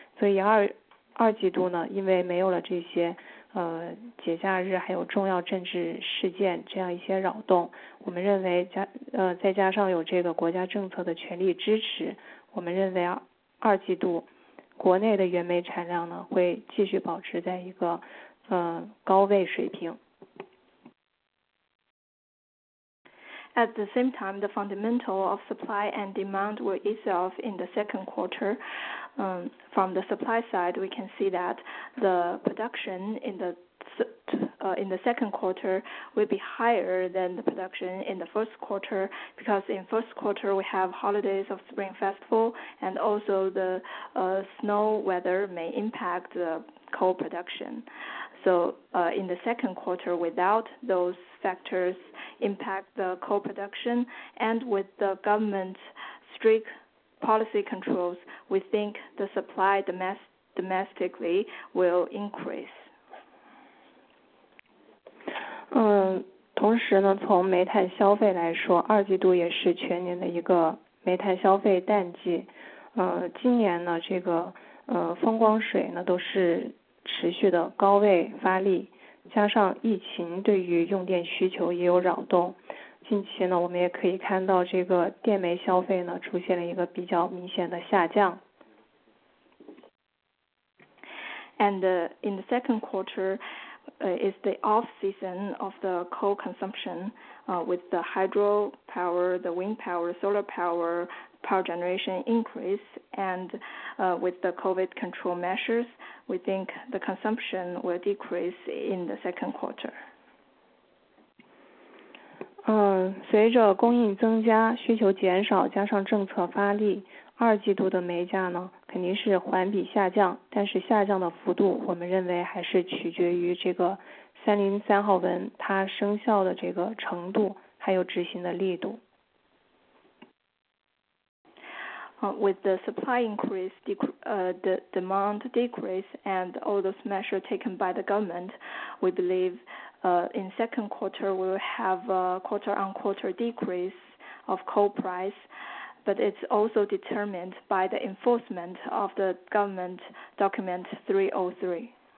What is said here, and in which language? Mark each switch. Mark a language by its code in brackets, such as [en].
[zh] 所以二季度呢，因为没有了这些节假日还有重要政治事件这样一些扰动，我们认为再加上有这个国家政策的全力支持，我们认为二季度国内的原煤产量呢会继续保持在一个高位水平。 [en] At the same time, the fundamental of supply and demand will ease off in the second quarter. From the supply side, we can see that the production in the second quarter will be higher than the production in the first quarter, because in first quarter we have holidays of Spring Festival, and also the snow weather may impact the coal production. So in the second quarter, without those factors impact the coal production, and with the government's strict policy controls, we think the supply domestically will increase. [zh] 同时呢，从煤炭消费来说，二季度也是全年的一个煤炭消费淡季。今年呢，这个风光水呢都是持续的高位发力，加上疫情对于用电需求也有扰动。近期呢，我们也可以看到这个电煤消费呢出现了一个比较明显的下降。 [en] And in the second quarter, is the off season of the coal consumption, with the hydro power, the wind power, solar power, power generation increase, and with the COVID control measures. We think the consumption will decrease in the second quarter. [zh] 随着供应增加，需求减少，加上政策发力，二季度的煤价呢，肯定是环比下降，但是下降的幅度，我们认为还是取决于这个303号文它生效的这个程度，还有执行的力度。 [en] With the supply increase, the demand decrease, and all those measures taken by the government, we believe in second quarter we'll have a quarter-on-quarter decrease of coal price, but it's also determined by the enforcement of the government document 303.